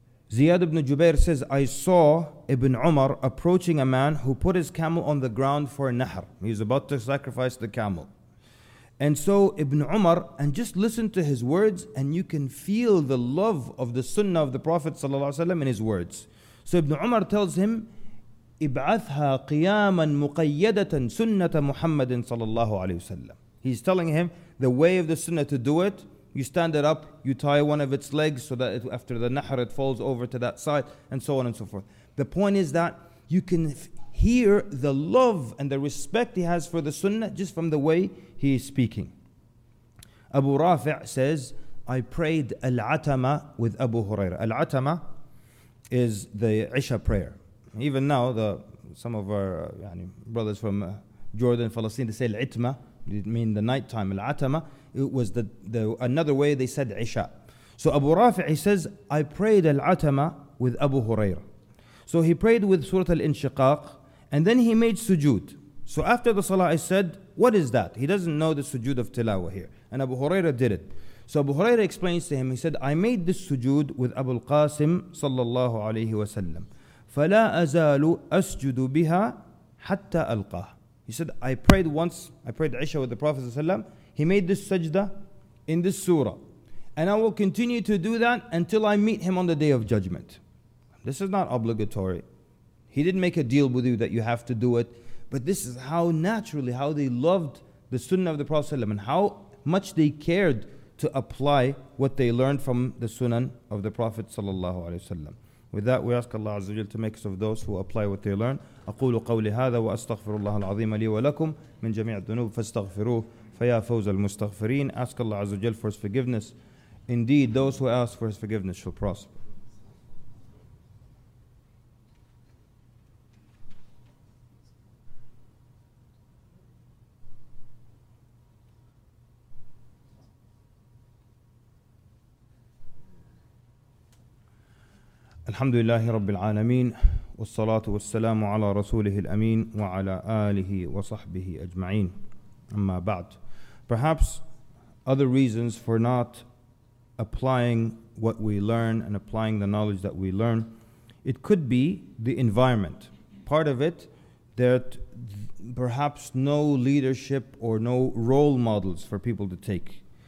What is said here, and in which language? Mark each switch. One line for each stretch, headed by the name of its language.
English: Ziyad ibn Jubair says, I saw Ibn Umar approaching a man who put his camel on the ground for a nahr. He's about to sacrifice the camel. And so Ibn Umar, and just listen to his words, and you can feel the love of the sunnah of the Prophet ﷺ in his words. So Ibn Umar tells him,
Arabic: إِبْعَثْهَا قِيَامًا مُقَيَّدَةً سُنَّةَ مُحَمَّدٍ صَلَى اللَّهُ عَلَيْهُ وسلم.
English: He's telling him, the way of the sunnah to do it, you stand it up, you tie one of its legs so that it, after the nahr it falls over to that side, and so on and so forth. The point is that you can hear the love and the respect he has for the sunnah just from the way he is speaking. Abu Rafi' says, I prayed Al-Atama with Abu Hurairah. Al-Atama is the Isha prayer. Even now, some of our brothers from Jordan, Palestine, they say Al-Itma, it means the nighttime. Al-Atama, it was the another way they said Isha. So Abu Rafi' he says, I prayed Al-Atama with Abu Hurairah. So he prayed with Surah Al-Inshiqaq, and then he made sujood. So after the salah, I said, what is that? He doesn't know the sujood of tilawa here. And Abu Hurairah did it. So Abu Hurairah explains to him, he said, I made this sujood with Abu al-Qasim sallallahu alayhi wa sallam.
Arabic: فَلَا أَزَالُ أَسْجُدُ بِهَا حَتَّى أَلْقَاهُ.
English: He said, I prayed once, I prayed Isha with the Prophet sallallahu alayhi wa sallam. He made this sajda in this surah. And I will continue to do that until I meet him on the Day of Judgment. This is not obligatory. He didn't make a deal with you that you have to do it. But this is how naturally, how they loved the sunnah of the Prophet ﷺ and how much they cared to apply what they learned from the sunnah of the Prophet ﷺ. With that, we ask Allah Azza wa Jalla to make us of those who apply what they learn.
Arabic: أقول قولي هذا وأستغفر الله العظيم لي ولكم من جميع الذنوب فاستغفروه فيا فوز المستغفرين.
English: Ask Allah Azza wa Jalla for His forgiveness. Indeed, those who ask for His forgiveness shall prosper.
Arabic: الحمد لله رب العالمين والصلاة والسلام على رسوله الأمين وعلى آله وصحبه أجمعين أما بعد.
English: Perhaps other reasons for not applying what we learn and applying the knowledge that we learn, it could be the environment. Part of it that perhaps no leadership or no role models for people to take.